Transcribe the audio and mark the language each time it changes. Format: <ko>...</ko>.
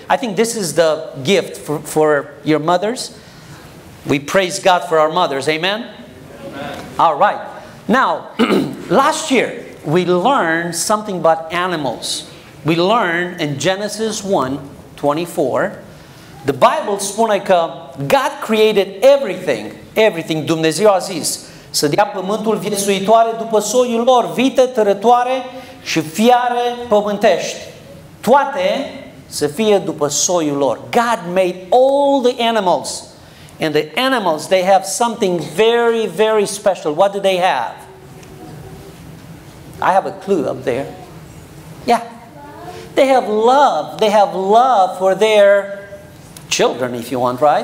<en>I think this is the gift for your mothers. We praise God for our mothers. Amen? All right. Now, last year, we learned something about animals. We learned in Genesis 1:24, the Bible</en> <ro>spune că</ro> <en>God created everything,</en> <ro>Dumnezeu a zis, să dea pământul viețuitoare după soiul lor, vită, tărătoare și fiare pământești. Toate să fie după soiul lor.</ro> <en>God made all the animals. And the animals, they have something very, very special. What do they have? I have a clue up there. Yeah. They have love. They have love for their children, if you want, right?</en>